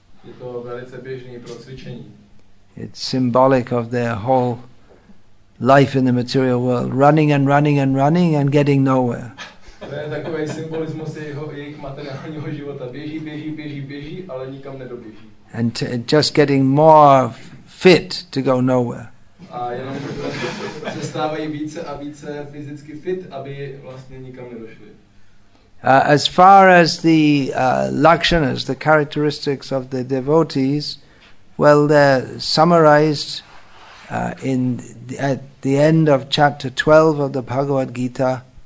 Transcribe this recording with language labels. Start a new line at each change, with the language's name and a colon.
Czech: Je to velice běžný pro cvičení.
English: It's symbolic of their whole life in the material world, running and running and running and getting nowhere.
Czech: To je takový symbolismus jejich materiálního života. Běží, běží, běží, běží, ale nikam nedoběží.
English: And just getting more fit to go nowhere.
Czech: A jenom se stávají více a více fyzicky fit, aby vlastně nikam nedošli.
English: As far as the lakshanas, the characteristics of the devotees, well, they're summarized at the end of chapter 12 of the Bhagavad Gita.